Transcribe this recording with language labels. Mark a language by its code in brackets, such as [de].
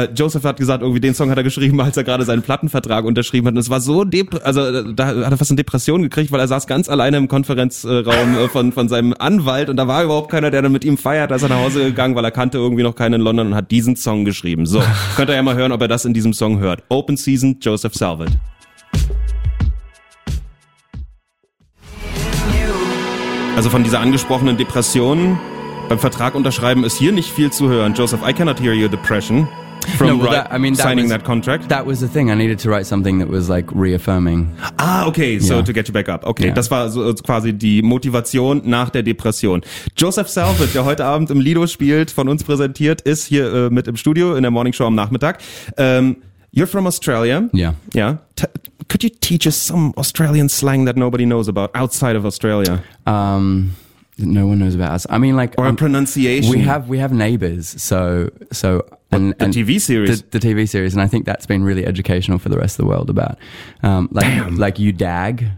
[de] Joseph hat gesagt, irgendwie den Song hat er geschrieben, als er gerade seinen Plattenvertrag unterschrieben hat. Und es war so da hat er fast eine Depression gekriegt, weil er saß ganz alleine im Konferenzraum von seinem Anwalt und da war überhaupt keiner, der dann mit ihm feiert. Da ist er nach Hause gegangen, weil er kannte irgendwie noch keinen in London und hat diesen Song geschrieben. So, könnt ihr ja mal hören, ob er das in diesem Song hört. Open Season, Joseph Salvat. Also von dieser angesprochenen Depression... Beim Vertrag unterschreiben ist hier nicht viel zu hören. [en] Joseph, I cannot hear your depression from signing that contract. That was the thing. I needed to write something that was like reaffirming. Ah, okay. So to get you back up. [de] Okay, das war so quasi die Motivation nach der Depression. Joseph Salvat, der heute Abend im Lido spielt, von uns präsentiert, ist hier mit im Studio in der Morning Show am Nachmittag. [en] You're from Australia. Yeah. Yeah. Could you teach us some Australian slang that nobody knows about outside of Australia? No one knows about us. I mean, like, or a pronunciation. We have neighbors. So TV series. The TV series, and I think that's been really educational for the rest of the world about, like you dag.